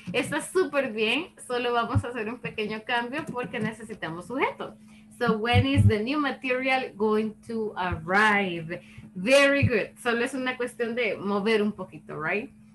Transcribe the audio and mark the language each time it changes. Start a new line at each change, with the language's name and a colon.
Spanish: Está súper bien, solo vamos a hacer un pequeño cambio porque necesitamos sujeto.
English: So when is the new material going to arrive? Very good.
Spanish: Solo es una cuestión de mover un poquito, right?